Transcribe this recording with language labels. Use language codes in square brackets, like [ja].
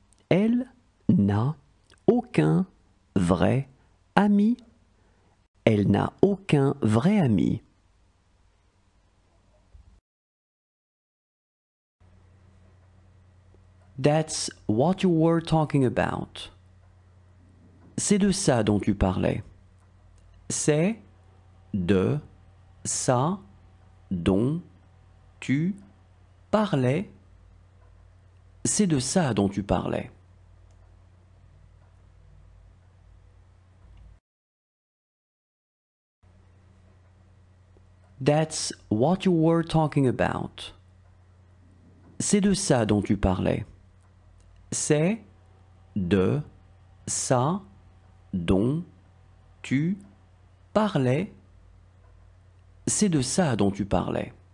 [fr] Elle n'a aucun vrai ami. Elle n'a aucun vrai ami. [en] That's what you were talking about. [fr] C'est de ça dont tu parlais. C'est de ça dont tu parlais. C'est de ça dont tu parlais. [en] That's what you were talking about. [fr] C'est de ça dont tu parlais. C'est de ça dont tu parlais. C'est de ça dont tu parlais.